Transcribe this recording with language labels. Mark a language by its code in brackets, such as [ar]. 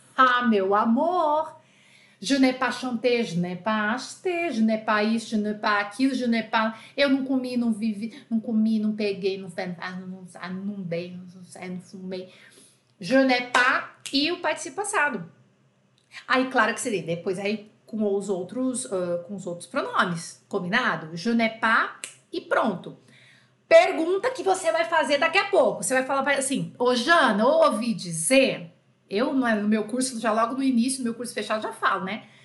[pt] Ah, meu amor, [fr] je n'ai pas chanté, je n'ai pas acheté, je n'ai pas isso, je n'ai pas aquilo, je n'ai pas... [pt] Eu não comi, não vivi, não comi, não peguei, não fui, não fumei. [fr] Je n'ai pas [pt] e o participio passado. Aí, claro que seria depois aí com os outros pronomes, combinado? [fr] Je n'ai pas [pt] e pronto. Pergunta que você vai fazer daqui a pouco. Você vai falar assim, ô Jana, ouvi dizer... Eu, no meu curso, já logo no início, no meu curso fechado, já falo, né?